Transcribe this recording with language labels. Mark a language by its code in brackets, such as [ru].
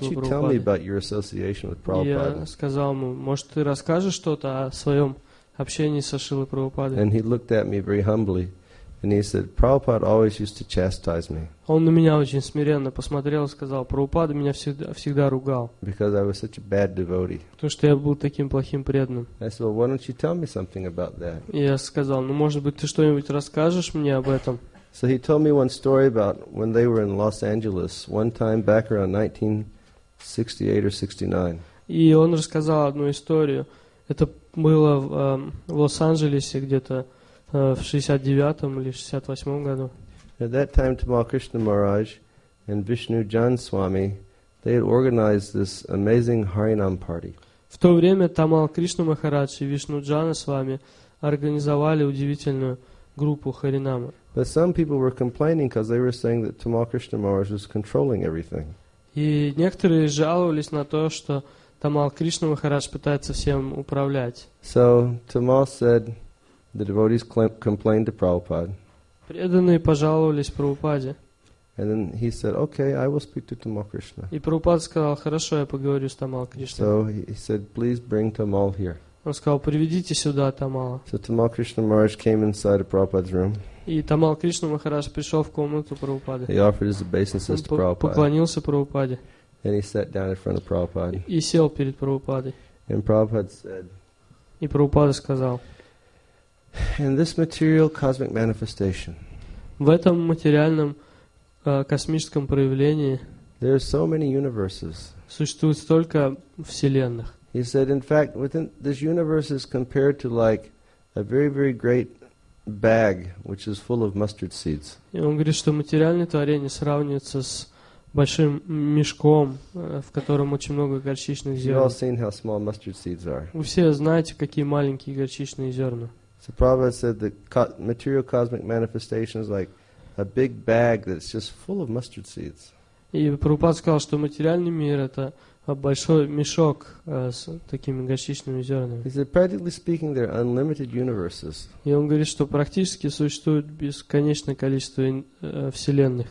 [en] So why don't you tell me about your association with Prabhupada? [ru] Я сказал ему, может, ты расскажешь что-то о своем общении со Шрилой Прабхупадой? [en] And he looked at me very humbly, and he said, Prabhupada always used to chastise me. [ru] Он на меня очень смиренно посмотрел и сказал, Прабхупада меня всегда ругал. [en] Because I was such a bad devotee. [ru] Потому что я был таким плохим преданным. [en] I said, well, why don't you tell me something about that? [ru] Я сказал, ну, может быть, ты что-нибудь расскажешь мне об этом? [en] So he told me one story about when they were in Los Angeles, one time back around 1968 or 69. [ru] И он рассказал одну историю. Это было в Лос-Анджелесе где-то в 69-м или 68-м году. [en] At that time, Tamal Krishna Maharaj and Vishnu Jan Swami, they had organized this amazing Harinam party. [ru] В то время Тамал Кришна Махарадж и Вишну Джана Свами организовали удивительную группу Харинама. [en] But some people were complaining because they were saying that Tamal Krishna Maharaj was controlling everything. [ru] И некоторые жаловались на то, что Тамал Кришна Махарадж пытается всем управлять. [en] So Tamal said, the devotees complained to Prabhupada. [ru] Преданные пожаловались Прабхупаде. [en] And then he said, okay, I will speak to Tamal Krishna. [ru] И Прабхупада сказал, хорошо, я поговорю с Тамал Кришной. [en] So he said, please bring Tamal here. [ru] Он сказал, приведите сюда Тамала. [en] So Tamal Krishna Maharaj came inside of Prabhupada's room. [ru] И Тамал Кришна Махарадж пришел в комнату Прабхупады. [en] He offered his obeisances to Prabhupada. [ru] Он поклонился Прабхупаде. [en] And he sat down in front of Prabhupada. [ru] И сел перед Прабхупадой. [en] And Prabhupada said, [ru] и Прабхупада сказал, [en] in this material cosmic manifestation, [ru] в этом материальном космическом проявлении, [en] there are so many universes. [ru] Существует столько вселенных. [en] He said, in fact, within this universe is compared to like a very, very great bag which is full of mustard seeds. [ru] И он говорит, что материальное творение сравнивается с большим мешком, в котором очень много горчичных зерен. [en] You've all seen how small mustard seeds are. [ru] Вы все знаете, какие маленькие горчичные зерна. [en] So Prabhupada said the material cosmic manifestation is like a big bag that's just full of mustard seeds. [ru] И Прабхупада сказал, что материальный мир это большой мешок с такими горчичными зернами. [en] He said, practically speaking, there are unlimited universes. [ru] И он говорит, что практически существует бесконечное количество вселенных.